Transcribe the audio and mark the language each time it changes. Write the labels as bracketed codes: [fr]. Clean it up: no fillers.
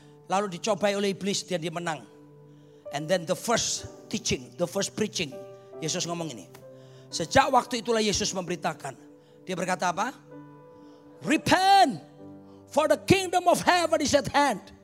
[id] Lalu dicobai oleh iblis dan dia menang. [en] And then the first teaching, the first preaching. [id] Yesus ngomong ini. Sejak waktu itulah Yesus memberitakan. Dia berkata apa? [en] Repent, for the kingdom of heaven is at hand.